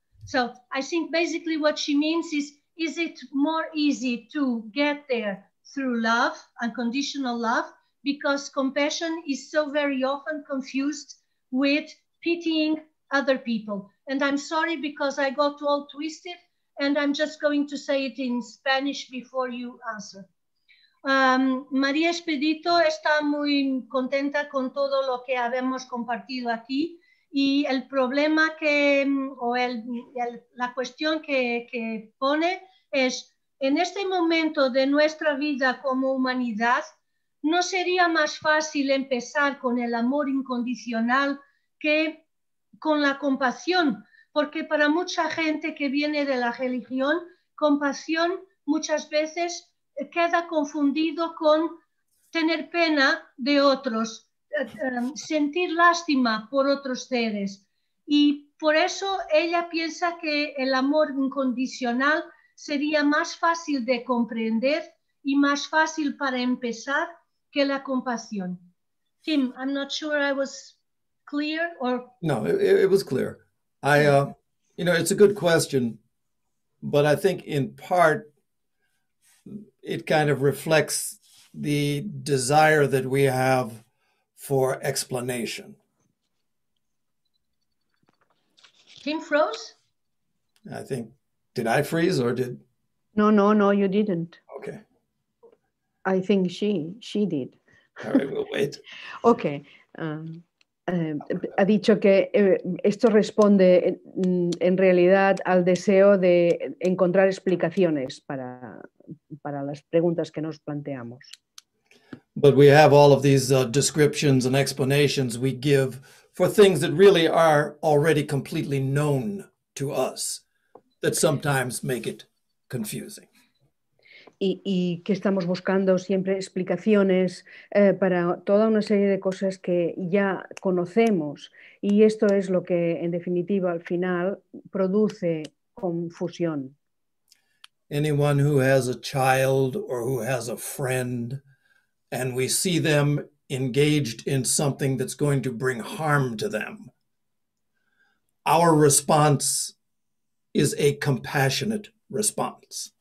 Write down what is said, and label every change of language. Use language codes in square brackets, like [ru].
[en] So I think basically what she means is it more easy to get there through love, unconditional love, because compassion is so very often confused with pitying other people. And I'm sorry because I got all twisted, and I'm just going to say it in Spanish before you answer. [es] María Expedito está muy contenta con todo lo que habemos compartido aquí, y el problema que, o la cuestión que pone es, en este momento de nuestra vida como humanidad, ¿no sería más fácil empezar con el amor incondicional que con la compasión? Porque para mucha gente que viene de la religión, compasión muchas veces queda confundido con tener pena de otros, sentir lástima por otros seres. Y por eso ella piensa que el amor incondicional sería más fácil de comprender y más fácil para empezar que la compasión. [en] Tim, I'm not sure I was clear or... No, it was clear. It's a good question, but I think in part it kind of reflects the desire that we have for explanation. Tim froze? I think, did I freeze or did? No, you didn't. Okay. I think she did. All right, we'll wait. Okay. [es] Ha dicho que esto responde en realidad al deseo de encontrar explicaciones para las preguntas que nos planteamos. [en] But we have all of these descriptions and explanations we give for things that really are already completely known to us that sometimes make it confusing. [es] Y que estamos buscando siempre explicaciones para toda una serie de cosas que ya conocemos. Y esto es lo que, en definitiva, al final, produce confusión. [en] Anyone who has a child or who has a friend, and we see them engaged in something that's going to bring harm to them, our response is a compassionate response.